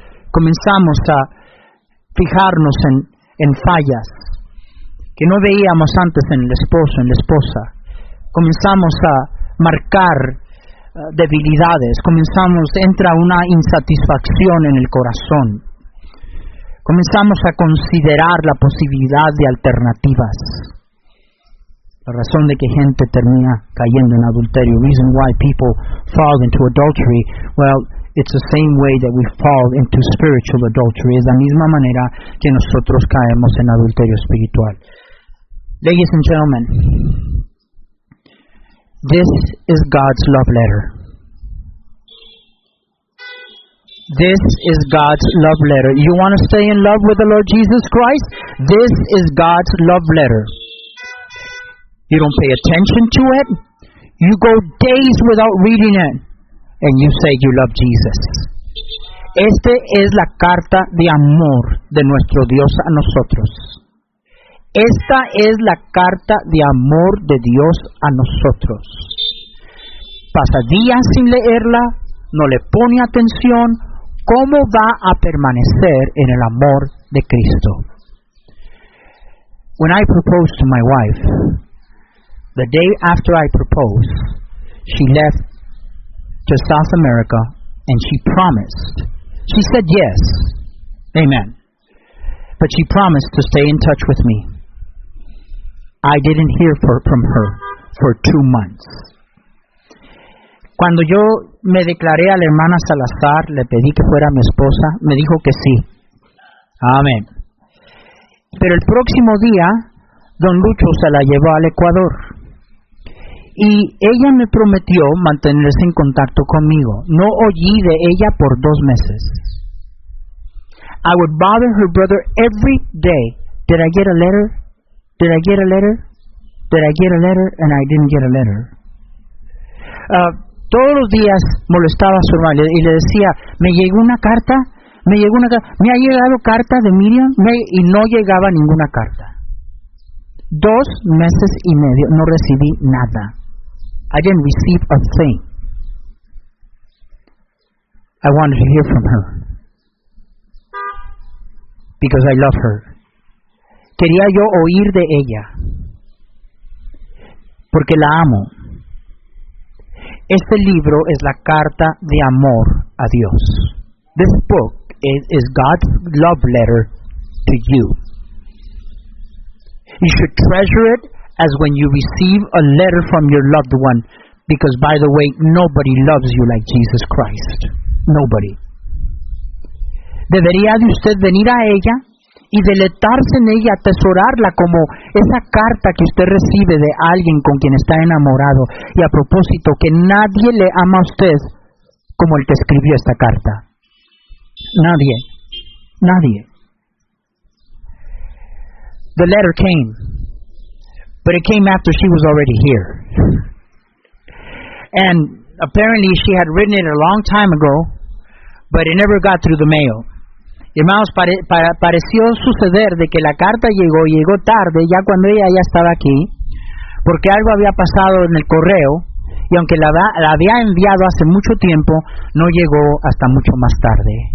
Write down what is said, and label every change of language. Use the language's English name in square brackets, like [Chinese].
[Spanish] Comenzamos a fijarnos en fallas que no veíamos antes en el esposo, en la esposa. Comenzamos a marcar debilidades. Comenzamos, entra una insatisfacción en el corazón. Comenzamos a considerar la posibilidad de alternativas. La razón de que gente termina cayendo en adulterio. [English] Reason why people fall into adultery. Well, it's the same way that we fall into spiritual adultery. [Spanish] Es la misma manera que nosotros caemos en adulterio espiritual. [English] Ladies and gentlemen, this is God's love letter. This is God's love letter. You want to stay in love with the Lord Jesus Christ? This is God's love letter. You don't pay attention to it. You go days without reading it. And you say you love Jesus. [Spanish] Esta es la carta de amor de nuestro Dios a nosotros. Esta es la carta de amor de Dios a nosotros. Pasa días sin leerla. No le pone atención. ¿Cómo va a permanecer en el amor de Cristo? [English] When I proposed to my wife, the day after I proposed, She left to South America and she promised. She said yes. Amen. But she promised to stay in touch with me. I didn't hear from her for 2 months. [Spanish] Cuando yo me declaré a la hermana Salazar, le pedí que fuera mi esposa, me dijo que sí. Amén. Pero el próximo día, don Lucho se la llevó al Ecuador. Y ella me prometió mantenerse en contacto conmigo. No oí de ella por 2 meses. [English] I would bother her brother every day. Did I get a letter? Did I get a letter? Did I get a letter? And I didn't get a letter. [Spanish] Todos los días molestaba a su hermano y le decía, me llegó una carta, me llegó una carta, me ha llegado carta de Miriam, y no llegaba ninguna carta. 2 meses y medio no recibí nada. [English] I didn't receive a thing. I wanted to hear from her. Because I love her. [Spanish] Quería yo oír de ella. Porque la amo. Este libro es la carta de amor a Dios. [English] This book is God's love letter to you. You should treasure it as when you receive a letter from your loved one. Because, by the way, nobody loves you like Jesus Christ. Nobody. [Spanish] Debería de usted venir a ella y deleitarse en ella, atesorarla como esa carta que usted recibe de alguien con quien está enamorado. Y a propósito, que nadie le ama a usted como el que escribió esta carta. Nadie. Nadie. [English] The letter came. But it came after she was already here. And apparently she had written it a long time ago, but it never got through the mail. [Spanish] Hermanos, pareció suceder de que la carta llegó tarde, ya cuando ella ya estaba aquí, porque algo había pasado en el correo, y aunque la había enviado hace mucho tiempo, no llegó hasta mucho más tarde.